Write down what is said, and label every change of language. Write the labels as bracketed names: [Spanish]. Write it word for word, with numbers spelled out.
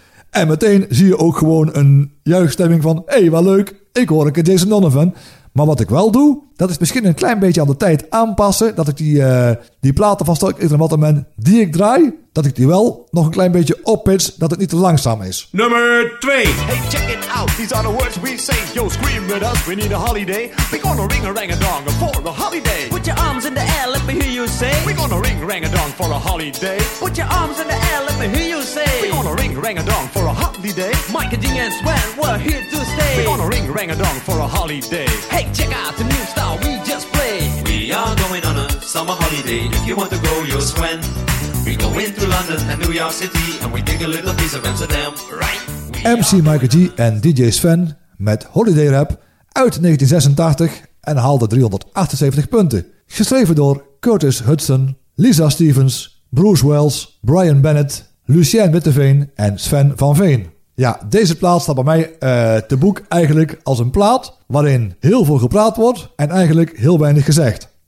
[Dutch] En meteen zie je ook gewoon een juichstemming van... Hé, hey, wat leuk. Ik hoor een keer Jason Donovan. Maar wat ik wel doe, dat is misschien een klein beetje aan de tijd aanpassen. Dat ik die, uh, die platen van Stock, Aitken en Waterman die ik draai... dat ik die wel nog een klein beetje oppits, dat het niet te langzaam is. Nummer twee. [English] Hey, check it out. These are the words we say. Yo, scream with us. We need a holiday. We're gonna ring a rang a dong for a holiday. Put your arms in the air, let me hear you say. We're gonna ring rang a dong for a holiday. Put your arms in the air, let me hear you say. We're gonna ring rang a dong for a holiday. Mike and Ding and Sven, we're here to stay. We're gonna ring rang a dong for a holiday. Hey, check out the new style we just played. We are going on a summer holiday. If you want to go, you'll Sven. We go into London and New York City and we take a little piece of Amsterdam, right? [Dutch] M C Michael G en D J Sven met Holiday Rap uit negentien zesentachtig en haalde driehonderdachtenzeventig punten. Geschreven door Curtis Hudson, Lisa Stevens, Bruce Wells, Brian Bennett, Lucien Witteveen en Sven van Veen. Ja, deze plaat staat bij mij uh, te boek eigenlijk als een plaat waarin heel veel gepraat wordt en eigenlijk heel weinig gezegd.